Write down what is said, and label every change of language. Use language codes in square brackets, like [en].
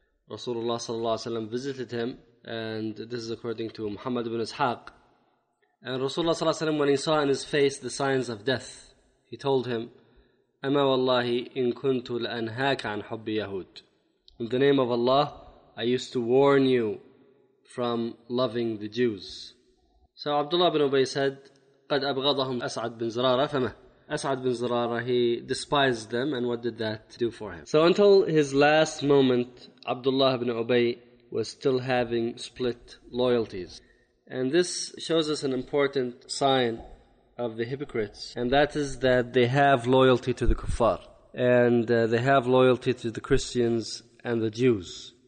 [en] Rasulullah sallallahu alayhi wa sallam visited him, and this is according to Muhammad ibn Ishaq. And Rasulullah sallallahu alayhi wa sallam, when he saw in his face the signs of death, he told him, [ar] أَمَا وَاللَّهِ إِن كُنْتُ لَأَنْهَاكَ عَنْ حُبِّ يَهُودِ. [en] In the name of Allah, I used to warn you from loving the Jews. So Abdullah ibn Ubay said, [ar] قَدْ أَبْغَضَهُمْ أَسْعَدْ بِنْ زَرَارَةَ فَمَهْ. [en] أَسْعَدْ بِنْ زَرَارَةَ, he despised them, and what did that do for him? So until his last moment, Abdullah ibn Ubay was still having split loyalties. And this shows us an important sign of the hypocrites, and that is that they have loyalty to the kuffar, and they have loyalty to the Christians and the Jews.